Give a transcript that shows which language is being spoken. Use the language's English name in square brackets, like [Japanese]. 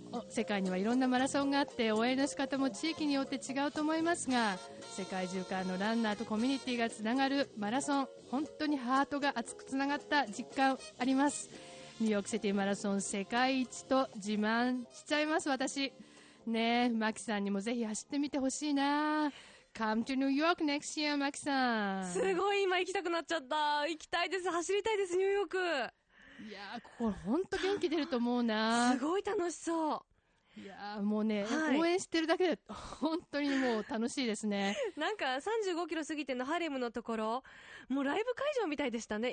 [Japanese] 世界にはいろんなマラソンがあって応援の仕方も地域によって違うと思いますが、世界中からのランナーとコミュニティがつながるマラソン、本当にハートが熱くつながった実感あります。ニューヨークシティマラソン世界一と自慢しちゃいます私ね。え、マキさんにもぜひ走ってみてほしいな。 [English] Come to New York next year マキさん。 [Japanese] すごい今行きたくなっちゃった。行きたいです、走りたいです、ニューヨーク。いやー、ここ本当元気出ると思うな。すごい楽しそう。いやー、もうね、はい、応援してるだけで本当にもう楽しいですね。なんか35キロ過ぎてのハレムのところもうライブ会場みたいでしたね。